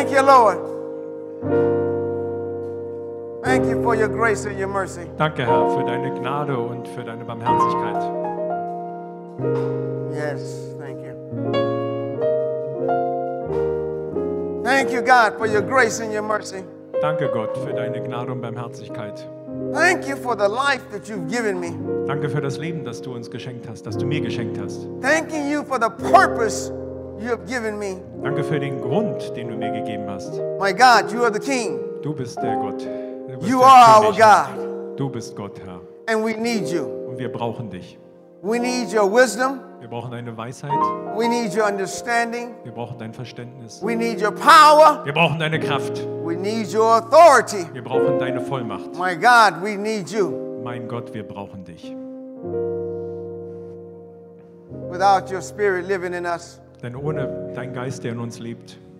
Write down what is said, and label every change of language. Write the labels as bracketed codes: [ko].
[en] Lord, thank you for your grace and your mercy. [de] Danke, Herr, für deine Gnade und für deine Barmherzigkeit. [en] Yes, thank you. Thank you, God, for your grace and your mercy. [de] Danke, Gott, für deine Gnade und Barmherzigkeit. [en] Thank you for the life that you've given me. [de] Danke für das Leben, das du uns geschenkt hast, das du mir geschenkt hast. [en] Thanking you for the purpose. You have given me. [de] Danke für den Grund, den du mir gegeben hast. [en] My God, you are the King. [de] Du bist der Gott. [en] You are our God. [de] Du bist Gott, Herr. [en] And we need you. [de] Und wir brauchen dich. [en] We need your wisdom. [de] Wir brauchen deine Weisheit. [en] We need your understanding. [de] Wir brauchen dein Verständnis. [en] We need your power. [de] Wir brauchen deine Kraft. [en] We need your authority. [de] Wir brauchen deine Vollmacht. [en] My God, we need you. [de] Mein Gott, wir brauchen dich. [en] Without your spirit living in us. [de] Denn ohne dein Geist, der in uns lebt,